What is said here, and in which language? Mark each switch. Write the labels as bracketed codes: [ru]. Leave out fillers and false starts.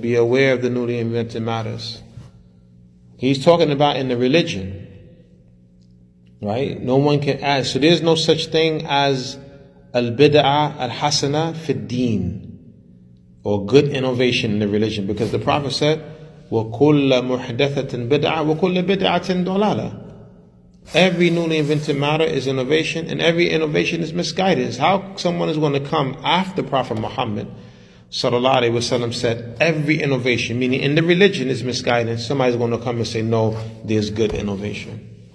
[en] Be aware of the newly invented matters. He's talking about in the religion. Right? No one can add. So there's no such thing as [ar] al-bid'ah al-hasana fi al-deen, [en] or good innovation in the religion. Because the Prophet said, [ar] وَكُلَّ مُحْدَثَةٍ بِدْعَةٍ وَكُلَّ بِدْعَةٍ ضَلَالَةٍ. [en] Every newly invented matter is innovation, and every innovation is misguidance. How someone is going to come after Prophet Muhammad sallallahu alaihi wasallam said every innovation, meaning in the religion, is misguidance, somebody's going to come and say, no, there's good innovation.